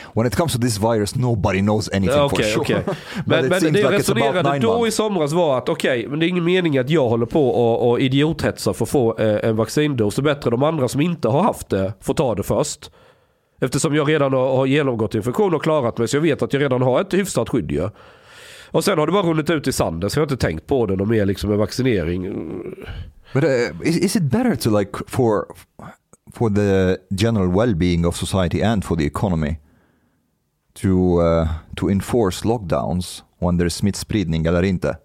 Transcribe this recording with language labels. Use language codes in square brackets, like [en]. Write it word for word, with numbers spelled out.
[en] When it comes to this virus, nobody knows anything okay, for sure. Okay. [sv] men, men det jag resonerade like då i somras var att okej, okay, men det är ingen mening att jag håller på och, och idiothetsa för att få eh, en vaccindos. Det är bättre de andra som inte har haft det får ta det först. Eftersom jag redan har genomgått infektion och klarat mig, så jag vet att jag redan har ett hyfsat skydd. Ja. Och sen har det bara runnit ut i sanden, så jag har inte tänkt på det någon mer liksom en vaccinering. [en] But uh, is, is it better to like for for the general well-being of society and for the economy to uh, to enforce lockdowns when there's [sv] smittspridning eller inte?